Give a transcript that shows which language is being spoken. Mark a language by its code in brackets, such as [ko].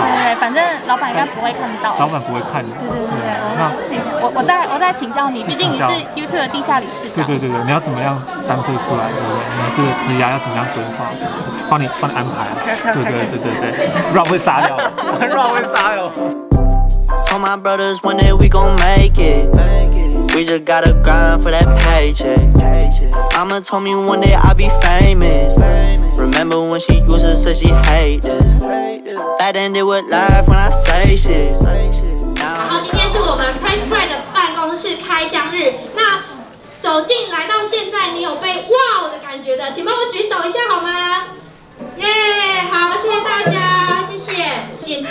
[zh] 对对对，反正老板应该不会看到，老板不会看的。对对对对，那我再请教你，毕竟你是 YouTube 的地下理事长。对对对对，你要怎么样单飞出来？对不对？你这个职涯要怎么样规划？帮你安排啊。对对对对对 ，Run 会杀掉 ，Run 会杀掉。 [en] Told my brothers one day we gon' make it. We just gotta grind for that paycheck. Mama told me one day I'll be famous. Remember when she used to say she hated us. Bad ended with life when I say shit. [zh] 好，今天是我们 Press Play 的办公室开箱日。那走进来到现在，你有被 wow 的感觉的，请帮我举手一下好吗？耶、yeah, ，好，谢谢大家，谢谢。